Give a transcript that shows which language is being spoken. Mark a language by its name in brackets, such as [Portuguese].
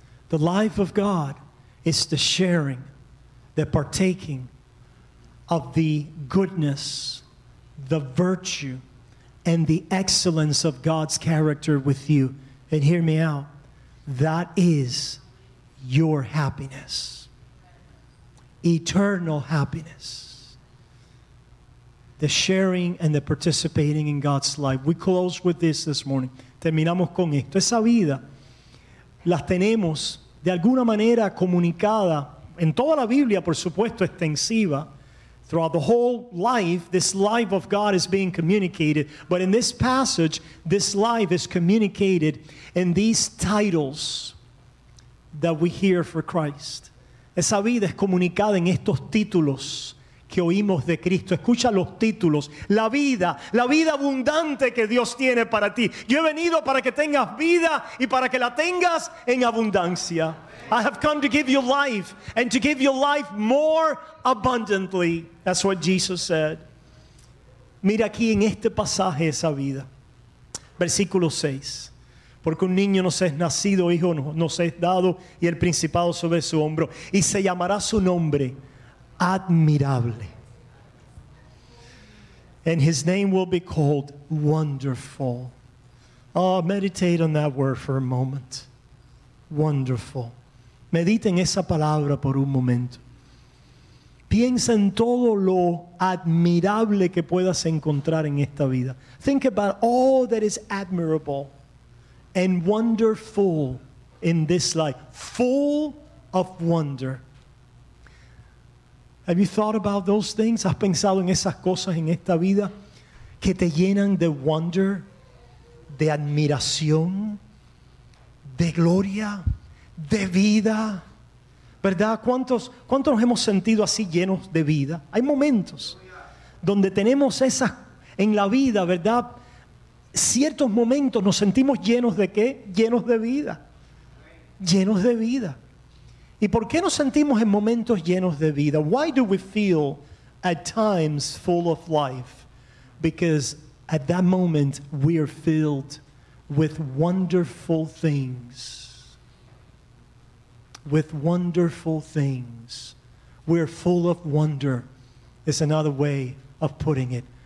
[English] The life of God is the sharing, the partaking of the goodness, the virtue, and the excellence of God's character with you. And hear me out. That is your happiness. Eternal happiness. The sharing and the participating in God's life. We close with this morning. [Spanish] Terminamos con esto. Esa vida las tenemos de alguna manera comunicada en toda la Biblia, por supuesto, extensiva. [English] Throughout the whole life, this life of God is being communicated. But in this passage, this life is communicated in these titles that we hear for Christ. [Spanish] Esa vida es comunicada en estos títulos que oímos de Cristo. Escucha los títulos. La vida abundante que Dios tiene para ti. Yo he venido para que tengas vida y para que la tengas en abundancia. [English] I have come to give you life and to give you life more abundantly. That's what Jesus said. [Spanish] Mira aquí en este pasaje esa vida. Versículo 6. Porque un niño nos es nacido, hijo nos es dado, y el principado sobre su hombro. Y se llamará su nombre, Admirable. [English] And his name will be called Wonderful. Oh, meditate on that word for a moment. [Spanish] Wonderful. Mediten esa palabra por un momento. Piensa en todo lo admirable que puedas encontrar en esta vida. [English] Think about all that is admirable and wonderful in this life. Full of wonder. Have you thought about those things? [Spanish] ¿Has pensado en esas cosas en esta vida que te llenan de wonder, de admiración, de gloria, de vida? ¿Verdad? ¿Cuántos nos hemos sentido así llenos de vida? Hay momentos donde tenemos esas en la vida, ¿verdad? Ciertos momentos nos sentimos llenos de ¿qué? Llenos de vida. Llenos de vida. ¿Y por qué nos sentimos en momentos llenos de vida? [English] Why do we feel at times full of life? Because at that moment we are filled with wonderful things. With wonderful things. We're full of wonder is another way of putting it.